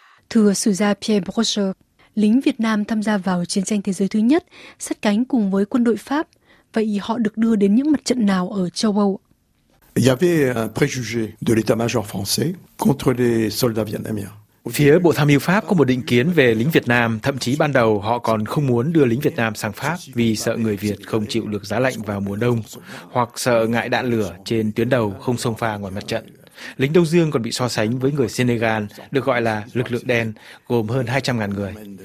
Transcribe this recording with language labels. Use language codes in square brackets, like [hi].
[vi] Thưa sử gia Pierre Brochet, lính Việt Nam tham gia vào chiến tranh thế giới thứ nhất, sát cánh cùng với quân đội Pháp. Vậy họ được đưa đến những mặt trận nào ở châu Âu? [fr] Il y avait un préjugé de l'état-major français contre les soldats vietnamiens. [vi] Phía Bộ Tham mưu Pháp có một định kiến về lính Việt Nam, thậm chí ban đầu họ còn không muốn đưa lính Việt Nam sang Pháp vì sợ người Việt không chịu được giá lạnh vào mùa đông, hoặc sợ ngại đạn lửa trên tuyến đầu không xông pha ngoài mặt trận. Lính Đông Dương còn bị so sánh với người Senegal, được gọi là lực lượng đen, gồm hơn 200.000 người.